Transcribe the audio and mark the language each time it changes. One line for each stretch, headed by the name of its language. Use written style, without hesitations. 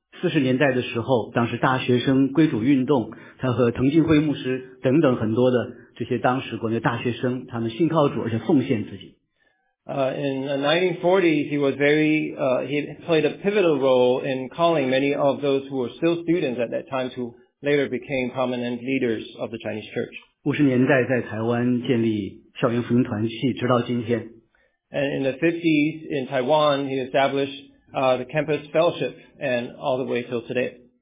Chinese: 40年代的时候, 当时大学生归主运动, 他和藤敬辉牧师等等很多的这些当时国内大学生, 他们信靠主, 而且奉献自己。
English: In the 1940s, he was he played a pivotal role in calling many of those who were still students at that time who later became prominent leaders of the Chinese church.
Chinese: 50年代在台湾建立校园福音团契, 直到今天。
English: And in the 50s in Taiwan, he established the campus fellowship and all the way till today.